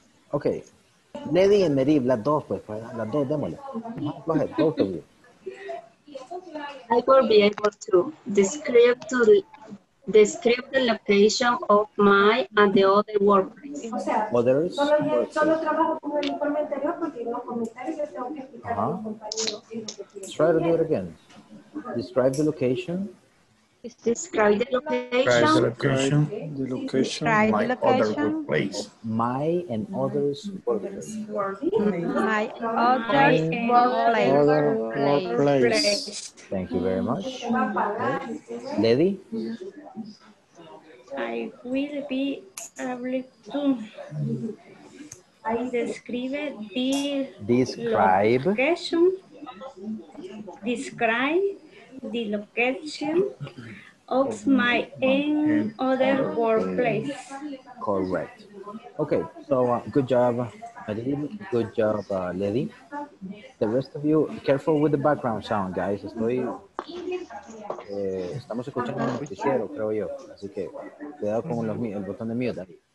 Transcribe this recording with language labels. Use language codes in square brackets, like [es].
[es] Ok. Levi y Meridio, las dos, pues. Las dos, démosle. [en] Go ahead, go to you. I will be able to describe to the. Describe the location of my and the other workplace. [es] O sea, others? Solo trabajo con el informe anterior porque los comentarios les tengo que explicar a los compañeros. [en] Try to do it again. Describe the location. Describe the location. Describe the location. The location. Describe the location. My other workplace. My and others' workplace. My others' workplace. Thank you very much. Lady? I will be able to describe the describe. Location. Describe the location of my other workplace. Correct. Okay, so good job, Adil. Good job, Lady. The rest of you, careful with the background sound, guys. [es] Estamos escuchando un noticiero, creo yo. Así que, cuidado con el botón de mute.